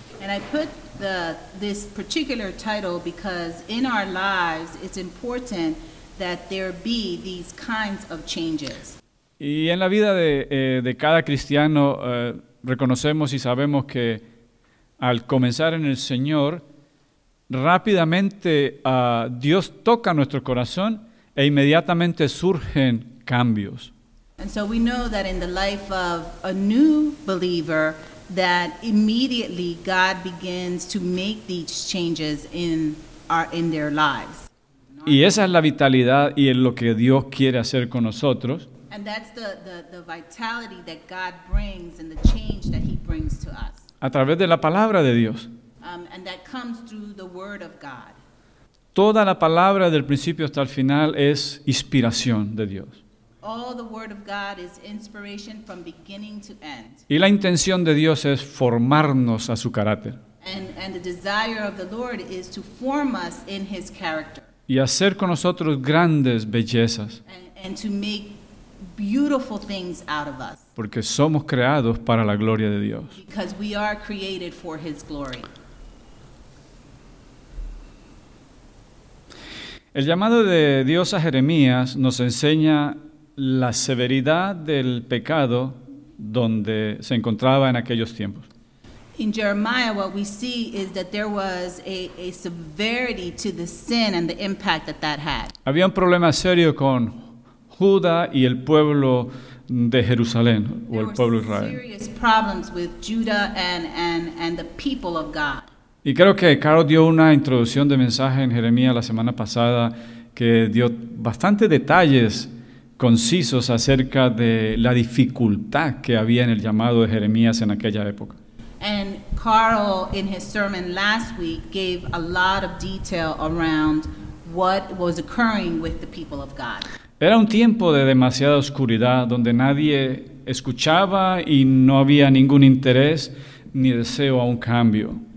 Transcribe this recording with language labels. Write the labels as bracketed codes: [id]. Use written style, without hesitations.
[en] And I put this particular title because in our lives it's important that there be these kinds of changes. [es] Y en la vida de cada cristiano reconocemos y sabemos que al comenzar en el Señor, rápidamente Dios toca nuestro corazón e inmediatamente surgen cambios. [en] And so we know that in the life of a new believer, that immediately God begins to make these changes in their lives. [es] Y esa es la vitalidad y es lo que Dios quiere hacer con nosotros. [en] And that's the vitality that God brings and the change that he brings to us. [es] A través de la palabra de Dios. [en] And that comes through the word of God. [es] Toda la palabra del principio hasta el final es inspiración de Dios. [en] All the word of God is inspiration from beginning to end. [es] Y la intención de Dios es formarnos a su carácter. [en] And the desire of the Lord is to form us in his character. [es] Y hacer con nosotros grandes bellezas. [en] And to make beautiful things out of us. [es] Porque somos creados para la gloria de Dios. [en] Because we are created for his glory. [es] El llamado de Dios a Jeremías nos enseña la severidad del pecado donde se encontraba en aquellos tiempos. [en] In Jeremiah, what we see is that there was a severity to the sin and the impact that had. [es] Había un problema serio con Judá y el pueblo de Jerusalén o el pueblo Israel. [en] There were serious problems with Judah and the people of God. [es] Y creo que Carlos dio una introducción de mensaje en Jeremías la semana pasada que dio bastante detalles concisos acerca de la dificultad que había en el llamado de Jeremías en aquella época. [en] And Carl, in his sermon last week, gave a lot of detail around what was occurring with the people of God. [es] Era un tiempo de demasiada oscuridad donde nadie escuchaba y no había ningún interés ni deseo a un cambio.